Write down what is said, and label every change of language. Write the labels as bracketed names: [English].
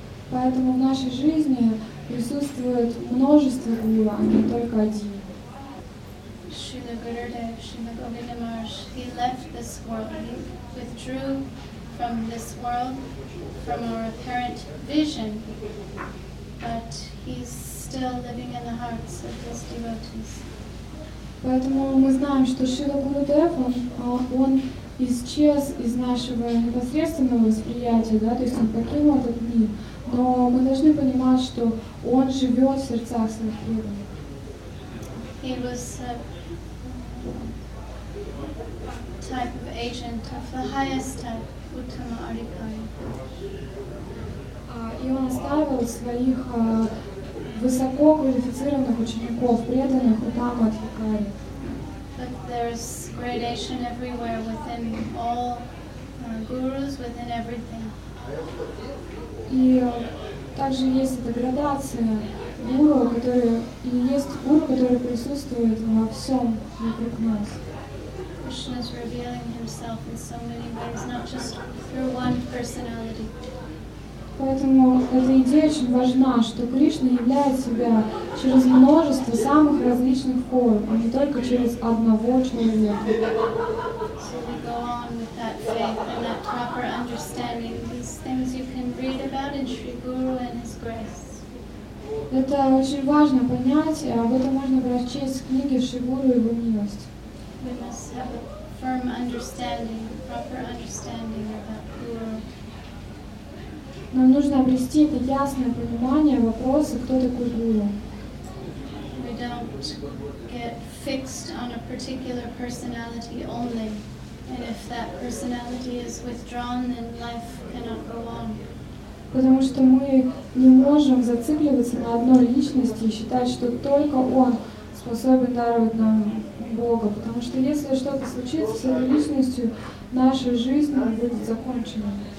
[Russian] Поэтому в нашей жизни присутствует множество гуру, а не только один. [English] Srila Gurudev, Srila Govinda Maharaj, he left this world, he withdrew from this world, from our apparent vision, but he's still living in the hearts of his devotees. [Russian] Поэтому мы знаем, что Srila Gurudev, он исчез из нашего непосредственного восприятия, да, то есть он покинул этот мир, но мы должны понимать, что он живет в сердцах своих преданных. [English] He was a type of agent of the highest type, Uttama Adhikari. [Russian] И он оставил своих высококвалифицированных учеников, преданных Uttama Adhikari. [English] But there's gradation everywhere within all gurus, within everything. [Russian] И также есть эта градация гуру, который, и есть гуру, который присутствует во всем вокруг нас. [English] Krishna is revealing himself in so many ways, not just through one personality. [Russian] Поэтому эта идея очень важна, что Кришна являет себя через множество самых различных форм, а не только через одного человека. [English] So we go on with that faith and that proper understanding. These things you can read about in Sri Guru and His grace. [Russian] Это очень важно понять, об этом можно прочесть в книге Шри Гуру и Его милость. [English] We must have a firm understanding, a proper understanding about Guru. [Russian] Нам нужно обрести это ясное понимание вопроса, кто такой Гуру. [English] We don't get fixed on a particular personality only. And if that personality is withdrawn, then life cannot go on. [Russian] Потому что мы не можем зацикливаться на одной личности и считать, что только он способен даровать нам Бога. Потому что если что-то случится с этой личностью, наша жизнь будет закончена.